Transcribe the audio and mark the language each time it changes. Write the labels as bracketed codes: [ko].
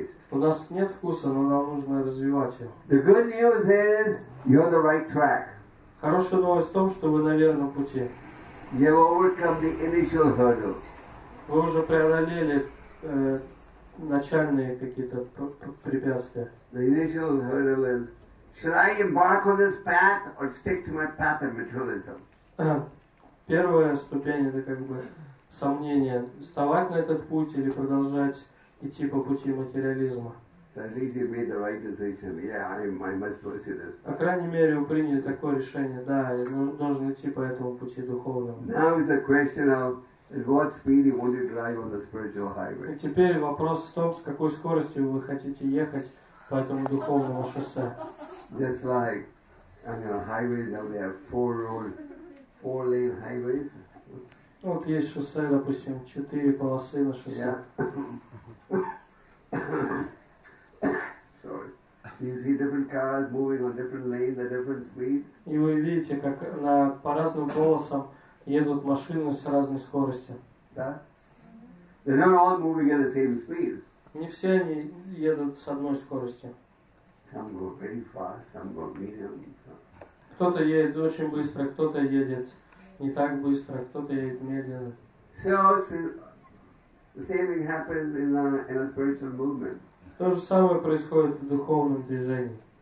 [ru] У нас нет вкуса, но нам нужно развивать его. [en] The good news is you're on the right track. [ru] Хорошая новость в том, что вы на верном пути. [en] You've overcome the initial hurdle. [ru] Вы уже преодолели начальные какие-то препятствия. [en] The initial hurdle is, should I embark on this path or stick to my path of materialism? [ru] Первая ступень — это как бы сомнение, вставать на этот путь или продолжать идти по пути материализма. [en] So at least you made the right decision. Yeah, I must pursue this. [ru] По крайней мере, вы приняли такое решение. Да, я должен идти по этому пути духовному. [en] Now is a question of what speed you want to drive on the spiritual highway. [ru] И теперь вопрос в том, с какой скоростью вы хотите ехать по этому духовному шоссе. [en] Just like on the highways, now they have four lane highways. [ru] Вот есть шоссе, допустим, четыре полосы на шоссе. [en] You see different cars moving on different lanes at different speeds. [ru] И вы видите, как на по разным полосам едут машины с разной скоростью. Да? [en] They're not all moving at the same speed. [ru] Не все они едут с одной скоростью. [en] Some go very fast, some go medium. [ru] Кто-то едет очень быстро, кто-то едет не так быстро, кто-то едет медленно. [en] So the same thing happens in a spiritual movement. [ru] То же самое происходит в духовном движении.